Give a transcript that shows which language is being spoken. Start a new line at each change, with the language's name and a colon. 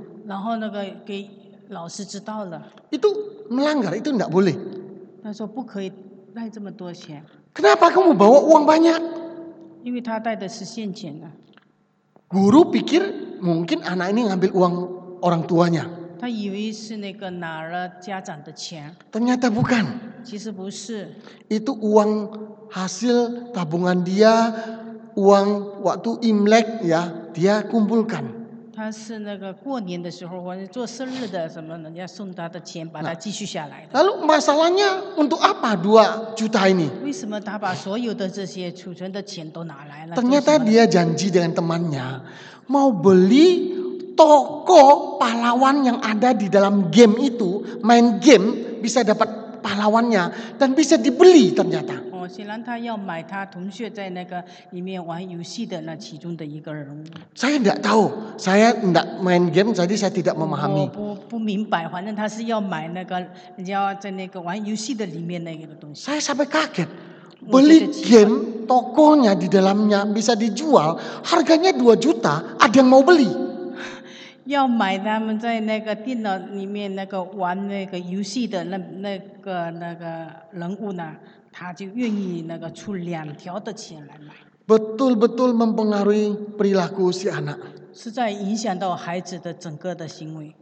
Chinese: 然后那个给老师知道了。
Indonesian: Itu melanggar, itu tidak boleh.
Chinese: 他说不可以带这么多钱。
Indonesian: Kenapa kamu bawa uang banyak?
Chinese: 因为他带的是现钱啊。
Indonesian: Guru pikir mungkin anak ini ngambil uang orang tuanya.
Chinese: 他以为是那个拿了家长的钱。
Indonesian: Ternyata bukan.
Chinese: 其实不是。
Indonesian: Itu uang hasil tabungan dia, uang waktu Imlek ya, dia kumpulkan.
Chinese: 他是那个过年的时候或者做生日的什么人家送他的钱把他继续下来的。
Indonesian: Lalu masalahnya untuk apa 2 juta ini?
Chinese: 为什么他把所有的这些储存的钱都拿来了？
Indonesian: Ternyata dia janji dengan temannya mau beli toko pahlawan yang ada di dalam game itu, main game bisa dapat pahlawannya dan bisa dibeli ternyata.
Chinese: 虽然他要买他同学在那个里面玩游戏的那其中的一个人物。
Indonesian: Saya tidak tahu, saya tidak main game, jadi saya tidak memahami.
Chinese: 我不明白，反正他是要买那个人家在那个玩游戏的里面那个东西。
Indonesian: Saya sampai kaget, beli game tokonya di dalamnya bisa dijual, harganya 2 juta, ada yang mau beli.
Chinese: 要买他们在那个电脑里面那个玩那个游戏的那个人物呢？他就愿意那个出2条的钱来买。
Indonesian: Betul betul mempengaruhi perilaku si anak.
Chinese: 是在影响到孩子的整个的行为。